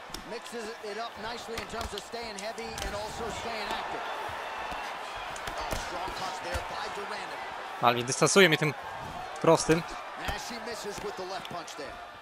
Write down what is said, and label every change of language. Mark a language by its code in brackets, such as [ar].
[en] Mixes it up nicely in terms of staying heavy and also staying active. Oh, strong touch there by Duranemi. [pl] Ale dystansuje mnie tym prostym. [en] And she misses with the left punch there.